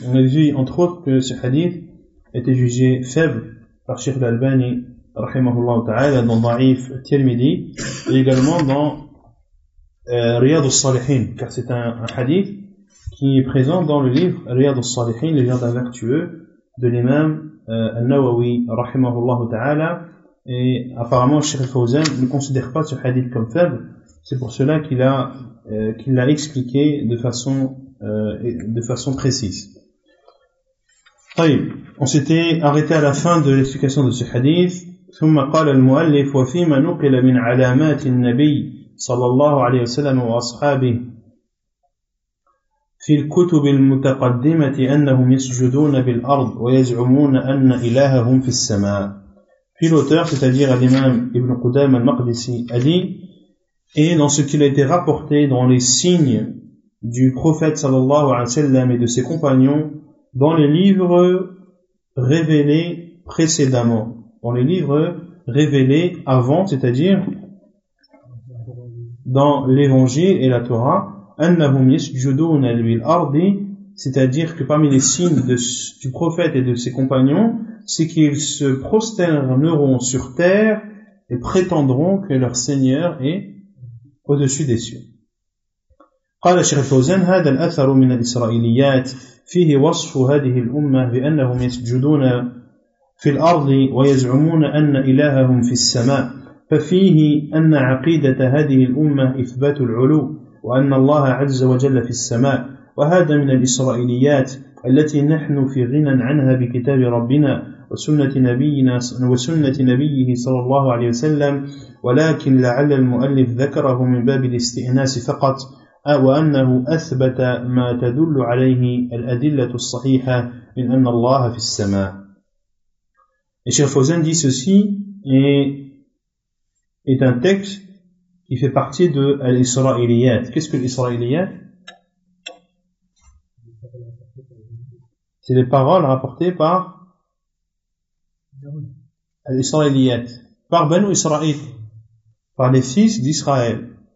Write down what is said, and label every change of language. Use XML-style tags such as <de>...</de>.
<fr>On a vu entre autres que ce hadith était jugé faible par Cheikh Al-Albani rahimahullah ta'ala dans Da'if Tirmidhi et également dans Riyad al-Salihin, car c'est un hadith qui est présent dans le livre Riyad al-Salihin, le jardin vertueux de l'imam al-Nawawi rahimahullah ta'ala. Et apparemment Cheikh Fawzan ne considère pas ce hadith comme faible, c'est pour cela qu'il l'a expliqué de façon précise. طيب, on s'était arrêté à la fin de l'explication de ce hadith.</fr> <ar>ثم قال المؤلف وفيما نقل من علامات النبي صلى الله عليه وسلم وأصحابه في الكتب المتقدمة أنهم يسجدون بالأرض ويزعمون أن إلههم في السماء. في الأوتور تتجير الإمام ابن قدام المقدسي ألي</ar> <fr>et dans ce qu'il a été rapporté dans les signes du prophète</fr> <ar>صلى الله عليه وسلم</ar> <fr>et de ses compagnons dans les livres révélés précédemment, dans les livres révélés avant, c'est-à-dire dans l'Évangile et la Torah,</fr> <ar>annahum yasjuduna lil-ardi,</ar> <fr>c'est-à-dire que parmi les signes du prophète et de ses compagnons, c'est qu'ils se prosterneront sur terre et prétendront que leur Seigneur est au-dessus des cieux.</fr> <ar>قال الشيخ الفوزان هذا الأثر من الإسرائيليات فيه وصف هذه الأمة بأنهم يسجدون في الأرض ويزعمون أن إلههم في السماء, ففيه أن عقيدة هذه الأمة إثبات العلو وأن الله عز وجل في السماء, وهذا من الإسرائيليات التي نحن في غنى عنها بكتاب ربنا وسنة نبيه صلى الله عليه وسلم, ولكن لعل المؤلف ذكره من باب الاستئناس فقط, وأنه أثبت ما تدل عليه الأدلة الصحيحة من أن الله في السماء.</ar> <fr>Et Cheikh Fawzan dit ceci est un texte qui fait partie de l'Israéliyat. Qu'est-ce que l'Israéliyat? C'est les paroles rapportées par l'Israéliyat, par Banu Israël, par les fils d'Israël.</fr>